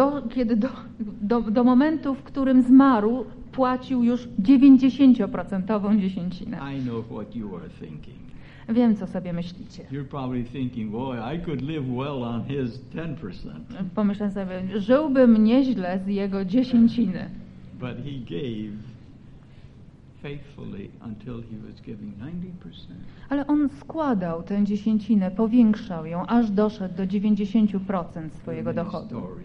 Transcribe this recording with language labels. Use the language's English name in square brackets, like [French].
[Polish] Kiedy do momentu, w którym zmarł, płacił już 90% dziesięcinę. [English] I know what you are thinking. [Polish] Wiem, co sobie myślicie. [English] You're probably thinking, boy, I could live well on his 10%. [Polish] Pomyślę sobie, żyłbym nieźle z jego dziesięciny. [English] But he gave faithfully until he was giving 90%. [Polish] Ale on składał tę dziesięcinę, powiększał ją, aż doszedł do 90% swojego dochodu.